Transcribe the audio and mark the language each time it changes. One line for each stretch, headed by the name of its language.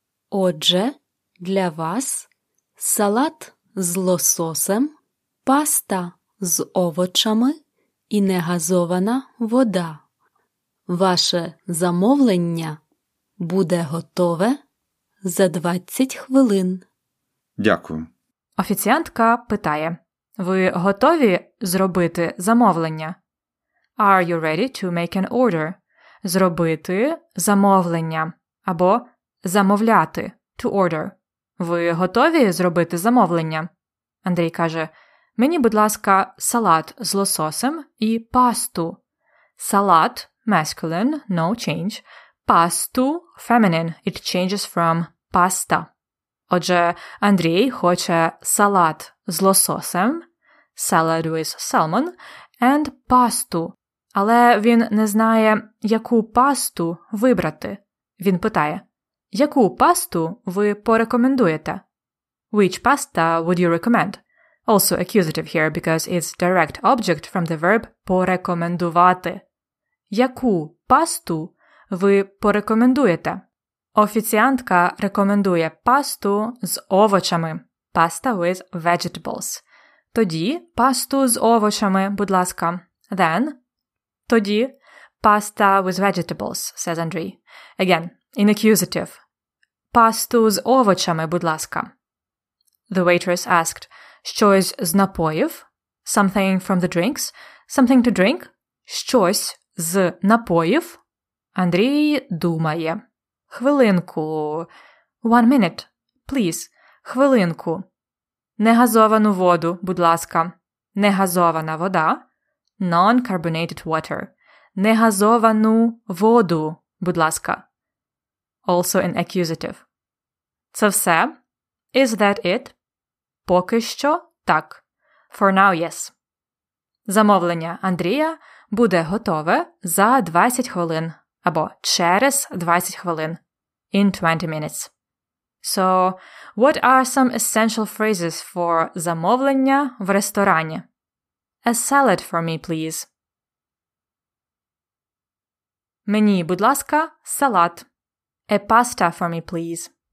Ukrainian: Отже, для вас салат з лососем, паста з овочами і негазована вода. Ваше замовлення буде готове за 20 хвилин. Дякую. Офіціантка питає, ви готові зробити замовлення?
English: Are you ready to make an order?
Ukrainian: Зробити замовлення або замовляти
English: to order.
Ukrainian: Ви готові зробити замовлення? Андрій каже, мені, будь ласка, салат з лососем і пасту.
English: Салат – masculine, no change. Пасту – feminine, it changes from pasta.
Ukrainian: Отже, Андрій хоче салат з лососем,
English: salad with salmon, and
Ukrainian: пасту. Але він не знає, яку пасту вибрати. Він питає, яку пасту ви порекомендуєте?
English: Which pasta would you recommend? Also accusative here because it's direct object from the verb порекомендувати.
Ukrainian: Яку пасту ви порекомендуєте? Офіціантка рекомендує пасту з овочами.
English: Pasta with vegetables.
Ukrainian: Тоді пасту з овочами, будь ласка.
English: Then.
Ukrainian: Тоді
English: pasta with vegetables, says Andrei. Again, in accusative.
Ukrainian: Пасту з овочами, будь ласка.
English: The waitress asked,
Ukrainian: щось з напоїв?
English: Something from the drinks? Something to drink?
Ukrainian: Щось з напоїв? Андрій думає. Хвилинку.
English: One minute, please.
Ukrainian: Хвилинку. Негазовану воду, будь ласка. Негазована вода.
English: Non-carbonated water.
Ukrainian: Негазовану воду, будь ласка.
English: Also in accusative.
Ukrainian: Це все?
English: Is that it?
Ukrainian: Поки що так.
English: For now, yes.
Ukrainian: Замовлення Андрія буде готове за 20 хвилин або через 20 хвилин.
English: In 20 minutes. So, what are some essential phrases for замовлення в ресторані? A salad for me, please.
Ukrainian: Мені, будь ласка, салат.
English: A pasta for me, please.